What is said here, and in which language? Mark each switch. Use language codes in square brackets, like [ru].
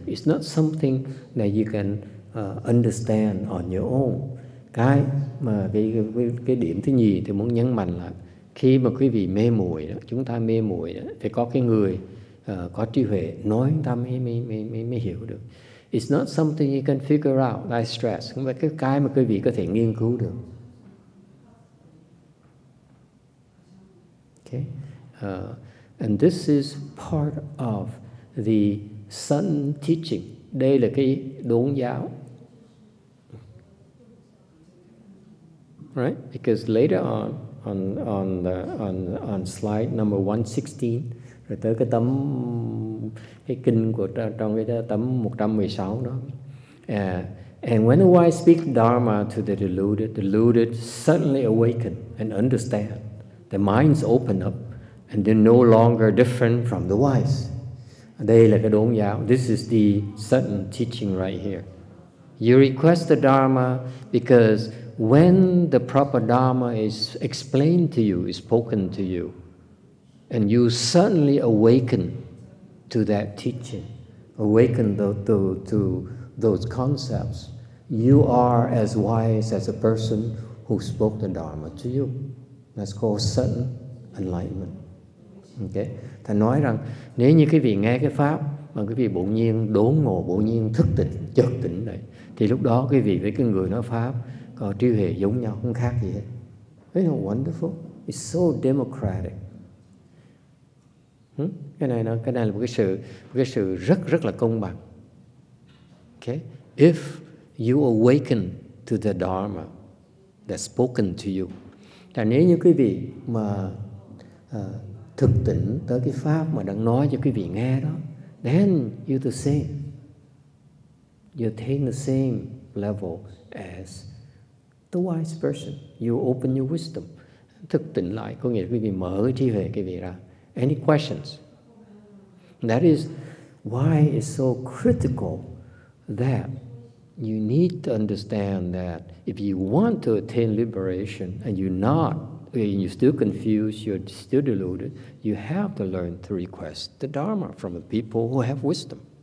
[en] It's not something that you can understand on your own. [vi] Cái mà cái điểm thứ nhì thì muốn nhấn mạnh là khi mà quý vị mê muội, chúng ta mê muội phải có cái người có trí huệ nói ta mới hiểu được. [en] It's not something you can figure out, like stress. [vi] Không phải cái mà quý vị có thể nghiên cứu được. [en] Okay. And this is part of the sudden teaching. [vi] Đây là cái đốn giáo. [en] Right? Because later on slide number 116, [vi] rồi tới cái tấm cái kinh của trong cái tấm 116 đó. [en] And when the wise speak Dharma to the deluded suddenly awaken and understand. Their minds open up and they're no longer different from the wise. [vi] Đây là cái đốn giáo. [en] This is the sudden teaching right here. You request the Dharma because when the proper Dharma is explained to you, is spoken to you, and you suddenly awaken to that teaching, awaken to those concepts, you are as wise as a person who spoke the Dharma to you. That's called sudden enlightenment. Okay? [vi] Thầy nói rằng, nếu như quý vị nghe cái pháp, mà quý vị bỗng nhiên đốn ngộ, bỗng nhiên thức tỉnh, chợt tỉnh đấy, thì lúc đó quý vị với cái người nói pháp có trí huệ giống nhau, không khác gì hết. [en] Isn't that wonderful? It's so democratic. [vi] Cái này là một cái sự rất rất là công bằng. Okay? [en] If you awaken to the Dharma that's spoken to you, [vi] là nếu như quý vị mà thực tỉnh tới cái pháp mà đang nói cho quý vị nghe đó, [en] then you're the same. You attain the same level as the wise person. You open your wisdom. [vi] Thực tỉnh lại có nghĩa là quý vị mở cái trí huệ quý vị ra. [en] Any questions? That is why it's so critical that you need to understand that if you want to attain liberation and you're not, and you're still confused, you're still deluded, you have to learn to request the Dharma from the people who have wisdom.